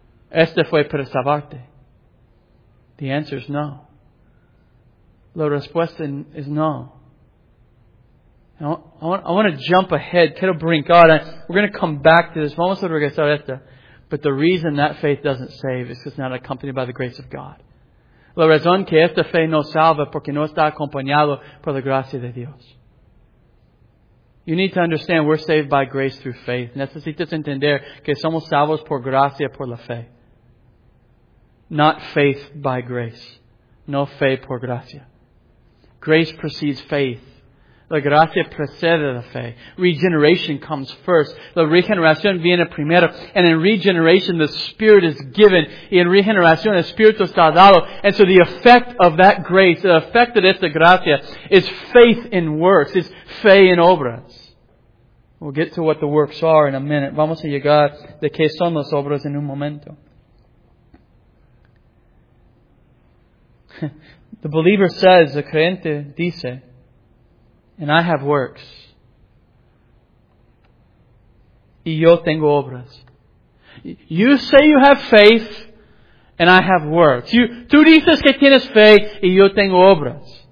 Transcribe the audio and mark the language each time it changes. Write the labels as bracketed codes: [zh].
[es] Este fue para salvarte. [en] The answer is no. [es] La respuesta [en] is no. I want to jump ahead. [es] Quiero brincar. [en] We're going to come back to this. [es] Vamos a regresar a esto. [en] But the reason that faith doesn't save is because it's not accompanied by the grace of God. [es] La razón que esta fe no salva porque no está acompañado por la gracia de Dios. [en] You need to understand we're saved by grace through faith. [es] Necesitas entender que somos salvos por gracia por la fe. [en] Not faith by grace. [es] No fe por gracia. [en] Grace precedes faith. [es] La gracia precede la fe. [en] Regeneration comes first. [es] La regeneración viene primero. [en] And in regeneration, the Spirit is given. [es] Y en regeneración, el Espíritu está dado. [en] And so the effect of that grace, the effect of [es] esta gracia, [en] is faith in works. It's [es] fe en obras. [en] We'll get to what the works are in a minute. [es] Vamos a llegar de qué son las obras en un momento. [en] The believer says, the [es] creyente dice, [en] and I have works. [es] Y yo tengo obras. [en] You say you have faith, and I have works. [es] Tú dices que tienes fe, y yo tengo obras.